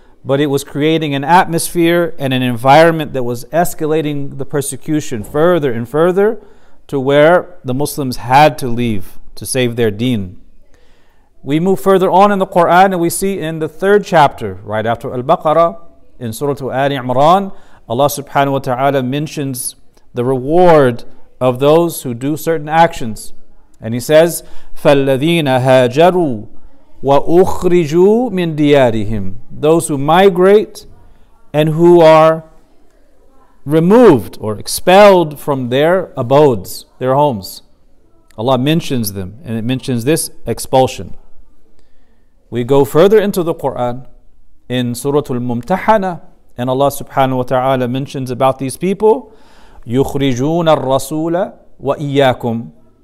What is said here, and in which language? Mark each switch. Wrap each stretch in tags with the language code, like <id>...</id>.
<en>But it was creating an atmosphere and an environment that was escalating the persecution further and further to where the Muslims had to leave to save their deen. We move further on in the Quran and we see in the third chapter, right after Al-Baqarah, in Surah Ali Imran, Allah subhanahu wa ta'ala mentions the reward of those who do certain actions. And he says,</en> <ar>فَالَّذِينَ هَاجَرُوا وَأُخْرِجُوا مِنْ دِيَارِهِمْ.</ar> <en>Those who migrate and who are removed or expelled from their abodes, their homes. Allah mentions them and it mentions this expulsion. We go further into the Quran in Surah Al-Mumtahana and Allah subhanahu wa ta'ala mentions about these people,</en> <ar>يُخْرِجُونَ الرَّسُولَ وَإِيَّاكُمْ.</ar>